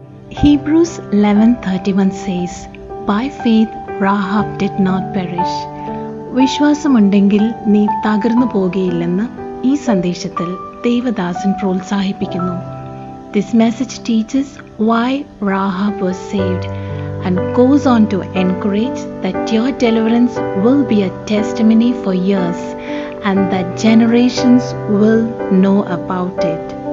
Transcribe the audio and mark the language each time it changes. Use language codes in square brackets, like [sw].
[en] Hebrews 11:31 says, By faith Rahab did not perish. [ml] വിശ്വാസമുണ്ടെങ്കിൽ നീ തകർന്നു പോകുകയില്ലെന്ന് ഈ സന്ദേശത്തിൽ ദേവദാസൻ പ്രോത്സാഹിപ്പിക്കുന്നു. [en] This message teaches why Rahab was saved and goes on to encourage that your deliverance will be a testimony for years and that generations will know about it.